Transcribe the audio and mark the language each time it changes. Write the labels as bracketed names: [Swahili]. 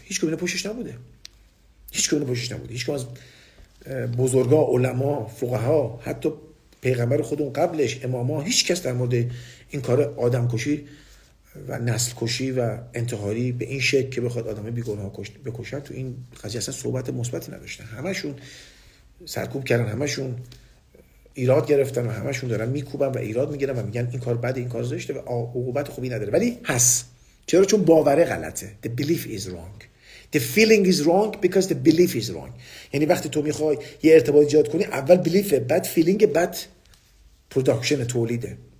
[Persian] هیچ کدوم پشتش نبوده، هیچ کدوم پشتش نبوده، هیچ کدوم از بزرگا، علما، فقها، حتی پیغمبر خودمون قبلش، اماما، هیچ کس در مورد این کار آدم کشی و نسل کشی و انتحاری به این شکل که بخواد آدم بیگناه بکشن تو این قضیه اصلا صحبت مثبتی نداشتن. همشون سرکوب کردن، همشون ایراد گرفتن و همشون دارن میکوبن و ایراد میگیرن و میگن این کار بده، این کار زشته و عقوبت خوبی نداره. ولی هست. چرا؟ چون باوره غلطه. [English] The belief is wrong. The feeling is wrong because the belief is wrong. [Persian] یعنی وقتی تو میخوای یه ارتباط ایجاد کنی، اول بلیفه، بعد فیلینگ، بعد پروداکشن، تولیده.